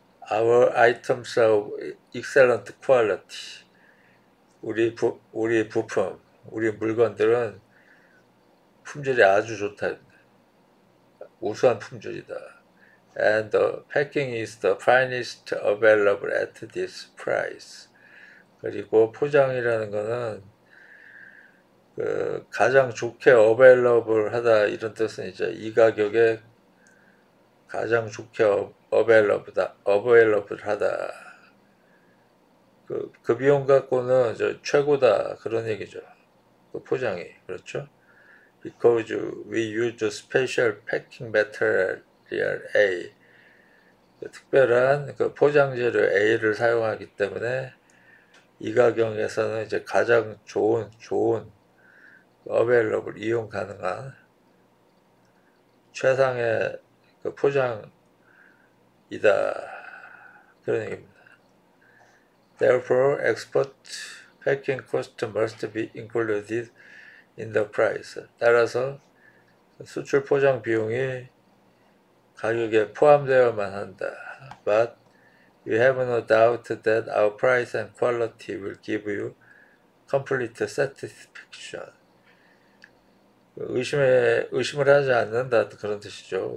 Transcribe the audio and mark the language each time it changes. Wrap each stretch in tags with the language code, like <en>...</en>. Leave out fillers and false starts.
<en>Our items are excellent quality.</en> <ko>우리 부품, 우리 물건들은 품질이 아주 좋다. 우수한 품질이다.</ko> <en>And the packing is the finest available at this price.</en> <ko>그리고 포장이라는 거는 가장 좋게 available하다 이런 뜻은 이제 이 가격에 가장 좋게 available하다. available하다. 그 비용 갖고는 최고다 그런 얘기죠. 그 포장이 그렇죠?</ko> <en>Because we use special packing material A.</en> <ko>특별한 그 포장 재료 A를 사용하기 때문에 이 가격에서는 이제 가장 좋은 어베일러블 이용 가능한 최상의 그 포장이다 그런 얘기입니다.</ko> <en>Therefore, export packing cost must be included in the price.</en> <ko>따라서 수출 포장 비용이 가격에 포함되어야만 한다.</ko> <en>But you have no doubt that our price and quality will give you complete satisfaction.</en> <ko>의심을 하지 않는다 그런 뜻이죠.</ko>